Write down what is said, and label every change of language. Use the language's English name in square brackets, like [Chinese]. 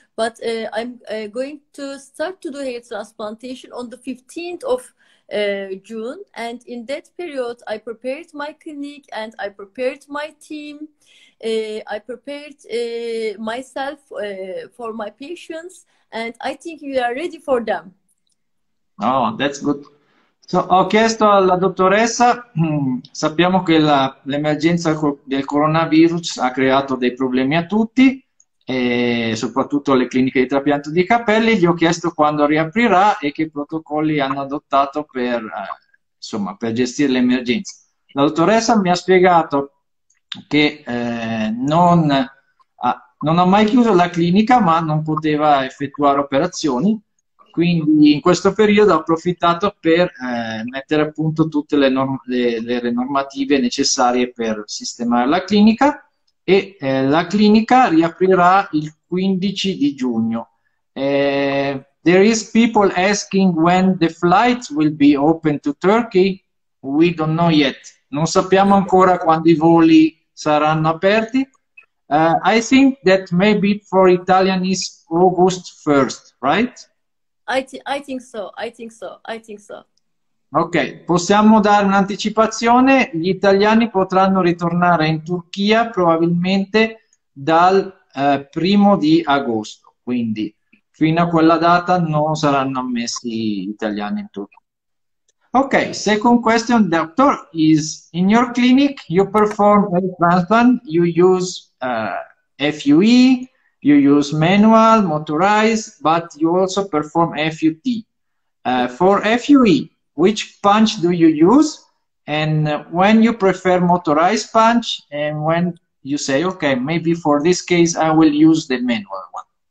[English] But I'm going to start to do hair transplantation on the 15th of June, and in that period, I prepared my clinic and I prepared my team. I prepared myself for my patients, and I think we are ready for them. Oh, that's good. [Italian] So, ho chiesto alla dottoressa, sappiamo che l'emergenza del coronavirus ha creato dei problemi a tutti, e soprattutto alle cliniche di trapianto di capelli. Gli ho chiesto quando riaprirà e che protocolli hanno adottato per, insomma, per gestire l'emergenza. La dottoressa mi ha spiegato che non ha mai chiuso la clinica, ma non poteva effettuare operazioni. Quindi in questo periodo ho approfittato per mettere a punto tutte le normative necessarie per sistemare la clinica e la clinica riaprirà il 15 di giugno. [English] There is people asking when the flight will be open to Turkey. We don't know yet. [Italian] Non sappiamo ancora quando i voli saranno aperti. [English] I think that maybe for Italian is August 1st, right? I think so. [Italian] Ok, possiamo dare un'anticipazione? Gli italiani potranno ritornare in Turchia probabilmente dal 1º di agosto, quindi fino a quella data non saranno ammessi gli italiani in Turchia. [English] Ok, second question, doctor, is in your clinic you perform air transplant, you use FUE, you use manual, motorized, but you also perform FUT. For FUE, which punch do you use, and when you prefer motorized punch, and when you say, okay, maybe for this case I will use the manual one?